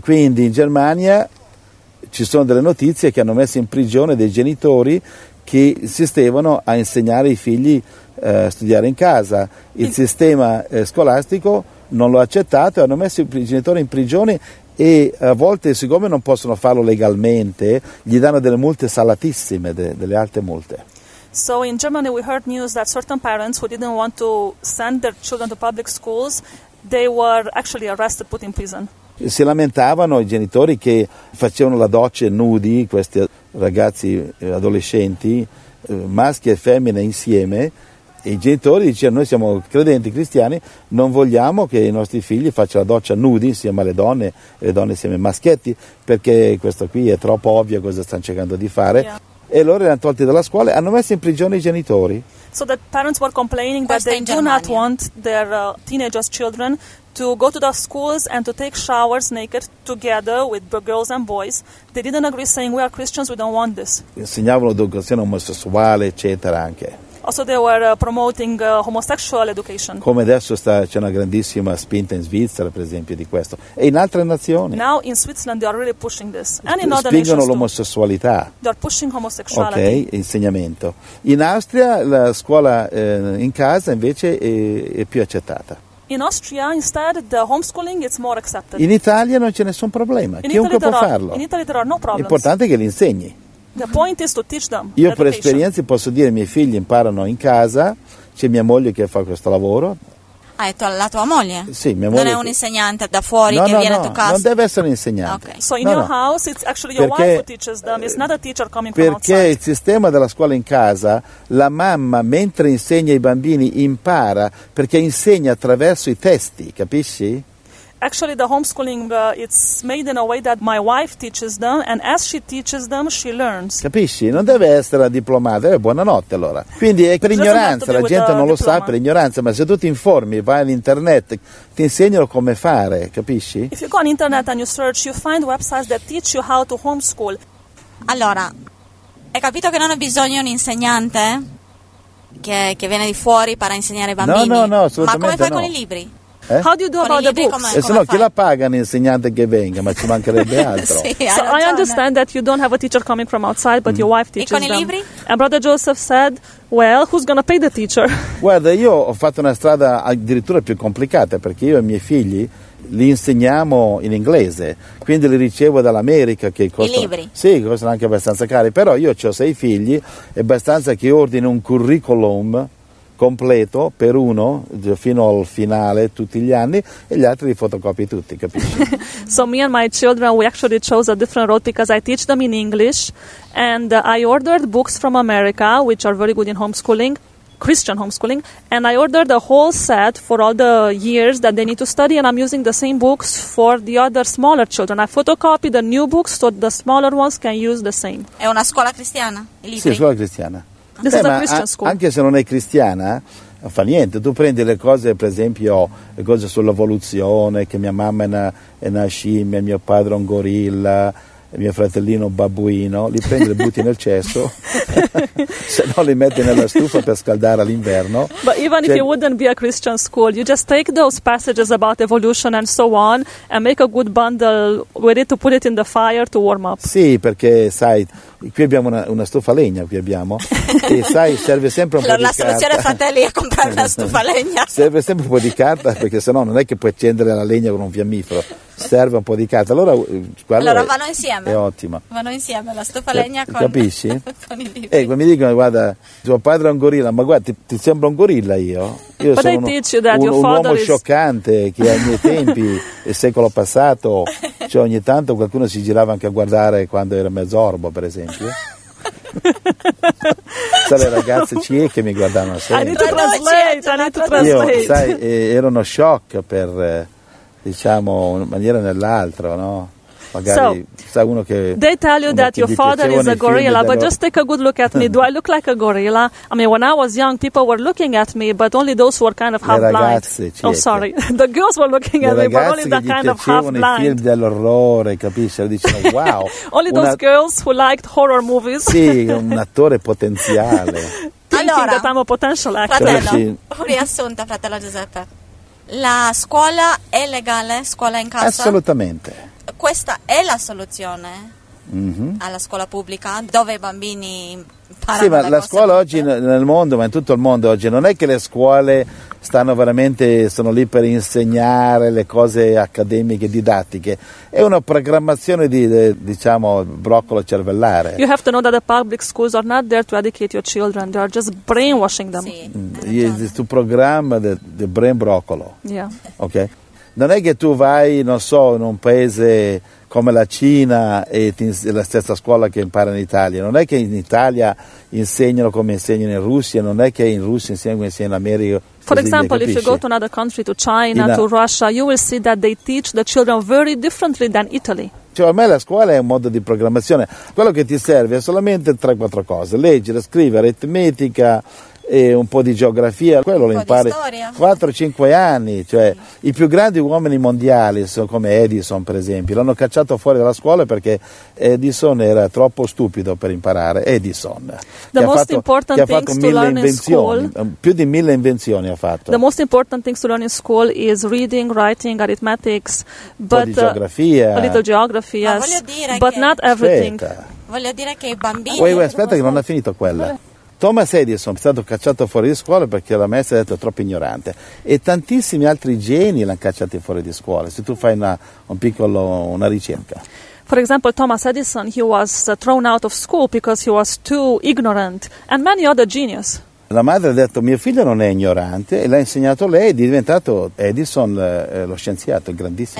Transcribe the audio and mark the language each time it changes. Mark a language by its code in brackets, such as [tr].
[it] Quindi in Germania ci sono delle notizie che hanno messo in prigione dei genitori che insistevano a insegnare i figli a studiare in casa. Il sistema scolastico non lo ha accettato e hanno messo i genitori in prigione e a volte, siccome non possono farlo legalmente, gli danno delle multe salatissime, delle alte multe. [en] So in Germany we heard news that certain parents who didn't want to send their children to public schools, they were actually arrested, put in prison. [it] Si lamentavano i genitori che facevano la doccia nudi, questi ragazzi adolescenti, maschi e femmine insieme, e i genitori dicevano: noi siamo credenti cristiani, non vogliamo che i nostri figli facciano la doccia nudi insieme alle donne e le donne insieme ai maschietti, perché questo qui è troppo ovvio cosa stanno cercando di fare. [en] Yeah. [it] E loro erano tolti dalla scuola, hanno messo in prigione i genitori. [en] So that parents were complaining that they do not want their teenagers' children to go to the schools and to take showers naked together with girls and boys. They didn't agree, saying, we are Christians, we don't want this. [it] Insegnavano educazione omosessuale, eccetera, anche. [en] Also they were promoting homosexual education. [it] Come adesso c'è una grandissima spinta in Svizzera, per esempio, di questo. E in altre nazioni. [en] Now in Switzerland they are really pushing this. And in other nations [it] spingono l'omosessualità. [en] They are pushing homosexuality. [it] Ok, insegnamento. In Austria la scuola in casa invece è più accettata. [en] In Austria, instead, the homeschooling is more accepted. [it] In Italia non c'è nessun problema, chiunque può farlo. [en] In Italy there are no problems. [it] L'importante è che li insegni. [en] The point is to teach them. [it] Io per esperienza posso dire: i miei figli imparano in casa, c'è mia moglie che fa questo lavoro. Ah, è la tua moglie? Sì, mia moglie. Non è un insegnante da fuori che viene a tua casa? No, non deve essere un insegnante. [en] Okay. So in your house it's actually your wife who teaches them, it's not a teacher coming from outside. [it] Perché il sistema della scuola in casa, la mamma mentre insegna i bambini impara, perché insegna attraverso i testi, capisci? [en] Actually, the homeschooling, it's made in a way that my wife teaches them, and as she teaches them, she learns. [it] Capisci? Non deve essere diplomata. Buonanotte, allora. Quindi è per ignoranza, la gente non lo sa per ignoranza, ma se tu ti informi, vai all'internet, ti insegnano come fare, capisci? [en] If you go on internet and you search, you find websites that teach you how to homeschool. [it] Allora, hai capito che non ho bisogno di un insegnante che viene di fuori per insegnare ai bambini? No, assolutamente no. Ma come fai con i libri? Eh? [en] How do you do about the books? [it] E se no, chi la paga un insegnante che venga? Ma ci mancherebbe altro. [en] Sì, so I understand that you don't have a teacher coming from outside, but your wife teaches them. [it] E con i libri? [en] And Brother Joseph said, well, who's going to pay the teacher? [it] Guarda, io ho fatto una strada addirittura più complicata, perché io e i miei figli li insegniamo in inglese, quindi li ricevo dall'America, che costa, i libri? Sì, costano anche abbastanza cari, però io ho 6 figli, è abbastanza che ordini un curriculum completo per uno fino al finale tutti gli anni e gli altri li fotocopi tutti, capisci? [en] So me and my children, we actually chose a different road because I teach them in English and I ordered books from America, which are very good in homeschooling, Christian homeschooling, and I ordered a whole set for all the years that they need to study, and I'm using the same books for the other smaller children. I photocopy the new books so the smaller ones can use the same. [it] È una scuola cristiana? I libri? Sì, scuola cristiana. [en] This is a Christian school. [it] Anche se non è cristiana, fa niente. Tu prendi le cose, per esempio, le cose sull'evoluzione, che mia mamma è una scimmia, mio padre è un gorilla, mio fratellino babbuino, li prendi e butti nel cesso, se no li metti nella stufa per scaldare all'inverno. [en] But even if it wouldn't be a Christian school, you just take those passages about evolution and so on and make a good bundle with it to put it in the fire to warm up. [it] Sì, perché sai, qui abbiamo una stufa legna, qui abbiamo, e sai, serve sempre un po' di carta. La soluzione, fratelli, è comprare la stufa legna. Serve sempre un po' di carta, perché se no non è che puoi accendere la legna con un fiammifero. Serve un po' di carta, allora vanno insieme. È ottima. Vanno insieme la stufa legna con, capisci? Con i libri. Mi dicono, guarda, tuo padre è un gorilla, ma guarda, ti sembra un gorilla io? Io sono un uomo scioccante che ai miei tempi, il secolo passato, cioè ogni tanto qualcuno si girava anche a guardare quando era mezz'orbo, per esempio. Le ragazze cieche mi guardavano sempre. [en] I need to translate. [it] Sai, ero uno shock per, diciamo, in maniera o nell'altra, no? Magari, [en] so, [it] sai, uno che [en] they tell you that your father is a gorilla, but just take a good look at me. Do I look like a gorilla? I mean, when I was young, people were looking at me, but only those who were kind of half blind. Oh, sorry, the girls were looking at me, but only the kind of half blind. [it] Le ragazze che gli piacevano i film dell'orrore, capisci? Dicevano, wow. [en] Only those girls who liked horror movies. [it] Sì, un attore potenziale. [en] Thinking that I'm a potential actor. [it] Fratello, riassunta, fratello Giuseppe. La scuola è legale, scuola in casa? Assolutamente. Questa è la soluzione alla scuola pubblica, dove i bambini imparano. Sì, ma la scuola oggi nel mondo, ma in tutto il mondo oggi, non è che le scuole stanno veramente, sono lì per insegnare le cose accademiche, didattiche. È una programmazione di, diciamo, broccolo cervellare. [en] You have to know that the public schools are not there to educate your children, they are just brainwashing them. [it] Sì, tu programma del brain broccolo. [en] Yeah. [it] Ok? Non è che tu vai, non so, in un paese come la Cina e la stessa scuola che impara in Italia. Non è che in Italia insegnano come insegnano in Russia, non è che in Russia insegnano come insegnano in America. [en] For example, if you go to another country, to China, to Russia, you will see that they teach the children very differently than Italy. [it] Cioè, a me la scuola è un modo di programmazione. Quello che ti serve è solamente 3-4 cose. Leggere, scrivere, aritmetica e un po' di geografia, quello lo impari 4-5 anni, cioè sì. I più grandi uomini mondiali, come Edison per esempio, l'hanno cacciato fuori dalla scuola perché Edison era troppo stupido per imparare. Edison, che ha fatto mille invenzioni, più di 1000 invenzioni ha fatto. [en] The most important things to learn in school is reading, writing, arithmetics, but [it] geografia, [en] a little geography, yes. But not everything. [it] Voglio dire che i bambini, aspetta che non ha finito quella. Thomas Edison è stato cacciato fuori di scuola perché la maestra ha detto troppo ignorante, e tantissimi altri geni l'hanno cacciato fuori di scuola, se tu fai una ricerca. [en] For example, Thomas Edison, he was thrown out of school because he was too ignorant, and many other genius. [it] La madre ha detto, mio figlio non è ignorante, e l'ha insegnato lei, è diventato Edison, lo scienziato, il grandissimo.